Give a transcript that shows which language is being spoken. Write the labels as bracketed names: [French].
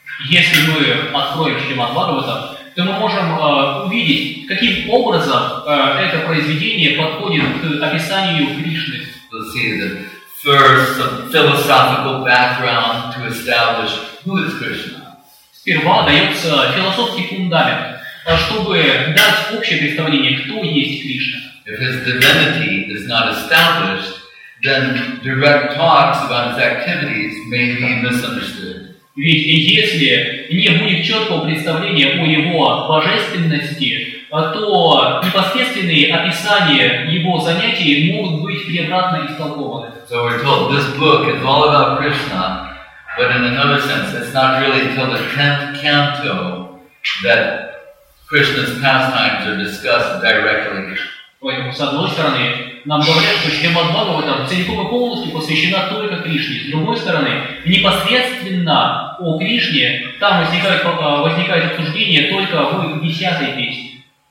[Russian] Если мы откроем Шримад-Бхагаватам, то мы можем увидеть, каким образом это произведение подходит к описанию Кришны. [English] We'll see the first philosophical background to establish who is Krishna. [Russian] Сперва дается философский фундамент, чтобы дать общее представление, кто есть Кришна. [English] If his divinity is not established, then direct talks about his activities may be misunderstood. [Russian] Ведь если не будет четкого представления о его божественности, то непосредственные описания его занятий могут быть превратно истолкованы. [English] So we're told this book is all about Krishna, but in another sense, it's not really until the 10th canto that Krishna's pastimes are discussed directly. [Russian] Поэтому, с одной стороны, нам говорят, что Шримад-Бхагаватам целиком и полностью посвящена только Кришне. С другой стороны, непосредственно о Кришне там возникает обсуждение только в 10-й